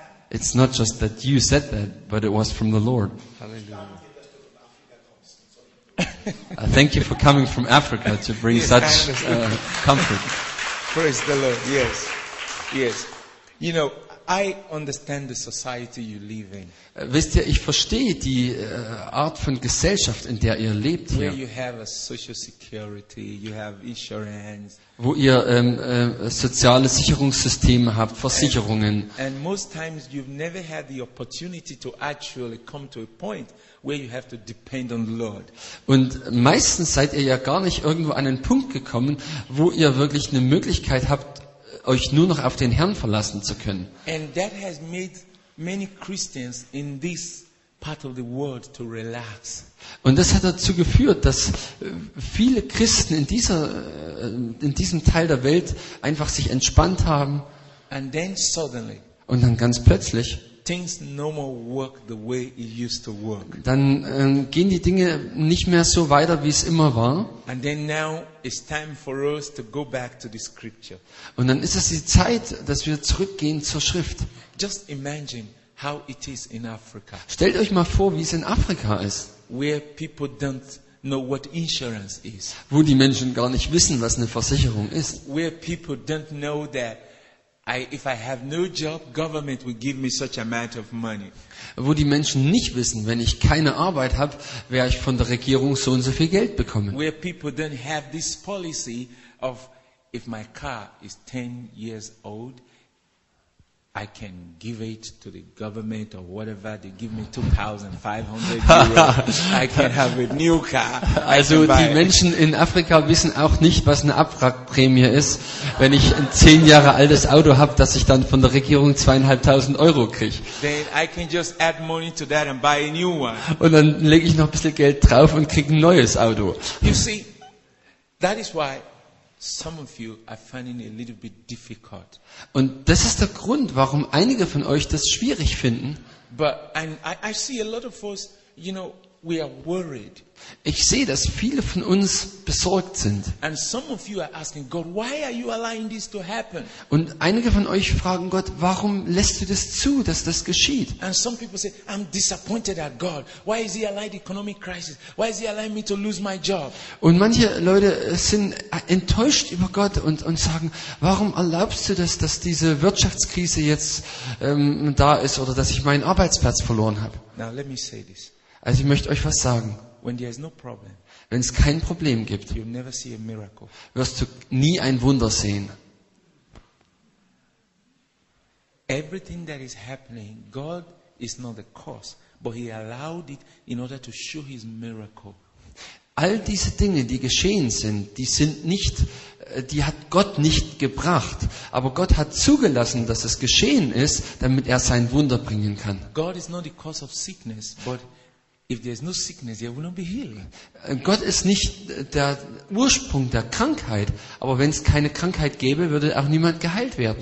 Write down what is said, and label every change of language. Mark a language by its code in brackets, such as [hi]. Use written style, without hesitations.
[en] It's not just that you said that, but it was from the Lord. Hallelujah. Thank you for coming from Africa to bring such comfort. Praise the Lord. Yes. Yes. You know, I understand the society you live in. [de] Wisst ihr, ich verstehe die Art von Gesellschaft, in der ihr lebt hier. [en] Where you have a social security, you have insurance. [de] Wo ihr soziale Sicherungssysteme habt, Versicherungen. [en] And most times you've never had the opportunity to actually come to a point where you have to depend on the Lord. [de] Und meistens seid ihr ja gar nicht irgendwo an einen Punkt gekommen, wo ihr wirklich eine Möglichkeit habt, euch nur noch auf den Herrn verlassen zu können. [en] And that has made many Christians in this part of the world to relax. [de] Und das hat dazu geführt, dass viele Christen in diesem Teil der Welt einfach sich entspannt haben. [en] And then suddenly, [de] und dann ganz plötzlich, [en] things no more work the way it used to work. [de] Dann gehen die Dinge nicht mehr so weiter, wie es immer war. [en] And then now it's time for us to go back to the scripture. [de] Und dann ist es die Zeit, dass wir zurückgehen zur Schrift. [en] Just imagine how it is in Africa. [de] Stellt euch mal vor, wie es in Afrika ist. [en] Where people don't know what insurance is. [de] Wo die Menschen gar nicht wissen, was eine Versicherung ist. [en] Where people don't know that if I have no job, government will give me such amount of money. [de] Wo die Menschen nicht wissen, wenn ich keine Arbeit habe, werde ich von der Regierung so und so viel Geld bekommen. [en] Where people don't have this policy of if my car is 10 years old, I can give it to the government or whatever, they give me 2,500 euros, I can have a new car. [de] Also die Menschen in Afrika wissen auch nicht, was eine Abwrackprämie ist, wenn ich ein 10 Jahre altes Auto habe, dass ich dann von der Regierung 2,500 Euro kriege. [en] Then I can just add money to that and buy a new one. [de] Und dann lege ich noch ein bisschen Geld drauf und kriege ein neues Auto. [en] You see, that is why some of you are finding it a little bit difficult. [de] Und das ist der Grund, warum einige von euch das schwierig finden. [en] But I see a lot of us, you know, we are worried. [de] Ich sehe, dass viele von uns besorgt sind. [en] And some of you are asking God, why are you allowing this to happen? [de] Und einige von euch fragen Gott, warum lässt du das zu, dass das geschieht? [en] And some people say, I'm disappointed at God. Why is he allowing the economic crisis? Why is he allowing me to lose my job? [de] Und manche Leute sind enttäuscht über Gott und sagen, warum erlaubst du das, dass diese Wirtschaftskrise jetzt da ist oder dass ich meinen Arbeitsplatz verloren habe? [en] Now let me say this. [de] Also ich möchte euch was sagen. [en] When there is no problem, [de] wenn es kein Problem gibt, [en] you'll never see a miracle. [de] Wirst du nie ein Wunder sehen. [en] Everything that is happening, God is not the cause, but he allowed it in order to show his miracle. [de] All diese Dinge, die geschehen sind, die sind nicht, die hat Gott nicht gebracht, aber Gott hat zugelassen, dass es geschehen ist, damit er sein Wunder bringen kann. [en] God is not the cause of sickness, but if there's no sickness, there will not be healing. [de] Gott ist nicht der Ursprung der Krankheit, aber wenn es keine Krankheit gäbe, würde auch niemand geheilt werden.